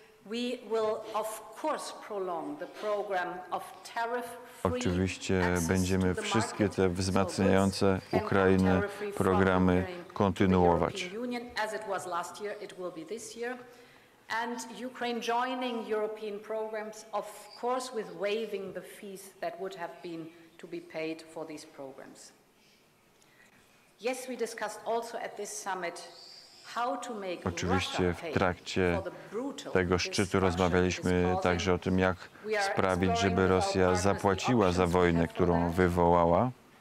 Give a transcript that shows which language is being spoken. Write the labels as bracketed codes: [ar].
[en] We will of course prolong the program of tariff-free. [pl] Oczywiście będziemy wszystkie te wzmacniające Ukrainę programy kontynuować. [en] As it was last year, it will be this year. And Ukraine joining European programs, of course, with waiving the fees that would have been to be paid for these programs. Yes, we discussed also at this summit. [pl] Oczywiście w trakcie tego szczytu rozmawialiśmy także o tym, jak sprawić, żeby Rosja zapłaciła za wojnę, którą wywołała.